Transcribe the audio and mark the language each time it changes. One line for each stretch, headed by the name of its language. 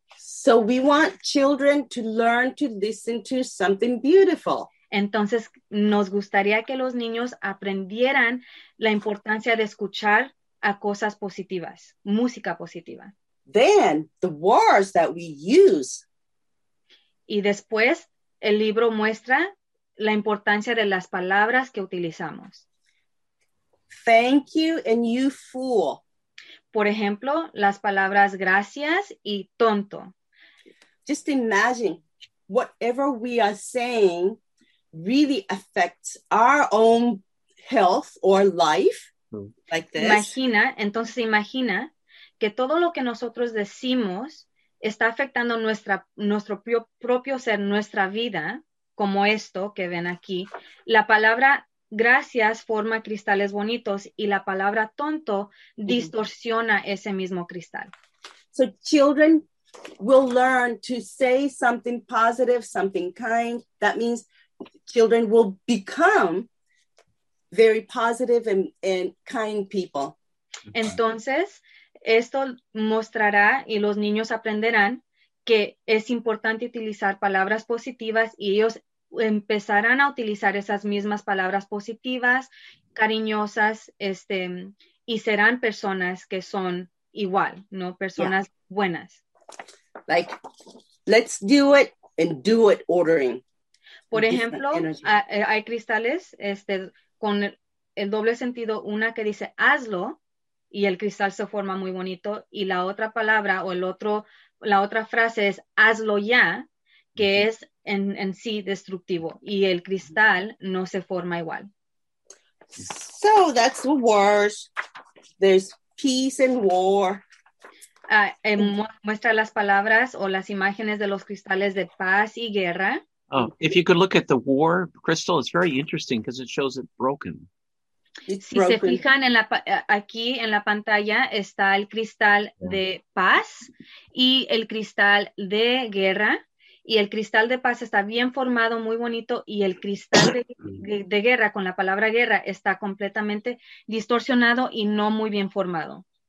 English: So we want children to learn to listen to something beautiful.
Spanish: Entonces, nos gustaría que los niños aprendieran la importancia de escuchar a cosas positivas, música positiva.
English: Then, the words that we use.
Spanish: Y después, el libro muestra la importancia de las palabras que utilizamos.
English: Thank you and you fool.
Spanish: Por ejemplo, las palabras gracias y tonto.
English: Just imagine, whatever we are saying really affects our own health or life, like this.
Spanish: Entonces imagina que todo lo que nosotros decimos está afectando nuestro propio ser, nuestra vida, como esto que ven aquí. La palabra gracias forma cristales bonitos y la palabra tonto distorsiona ese mismo cristal.
English: So children will learn to say something positive, something kind. That means children will become very positive and kind people.
Spanish: Entonces, esto mostrará y los niños aprenderán que es importante utilizar palabras positivas y ellos empezarán a utilizar esas mismas palabras positivas, cariñosas, y serán personas que son igual, ¿no? Personas yeah. buenas.
English: Like, let's do it and do it ordering.
Spanish: Por ejemplo, hay cristales con el doble sentido, una que dice hazlo y el cristal se forma muy bonito y la otra palabra o la otra frase es hazlo ya, que mm-hmm. es en sí destructivo y el cristal no se forma igual.
English: So that's the words. There's peace and war.
Spanish: Muestra las palabras o las imágenes de los cristales de paz y guerra.
English: Oh, if you could look at the war crystal, it's very interesting because it shows it broken. It's broken.
Spanish: Se fijan aquí en la pantalla está el cristal de paz y el cristal de guerra. Y el cristal de paz está bien formado, muy bonito. Y el cristal de guerra, con la palabra guerra, está completamente distorsionado y no muy bien formado.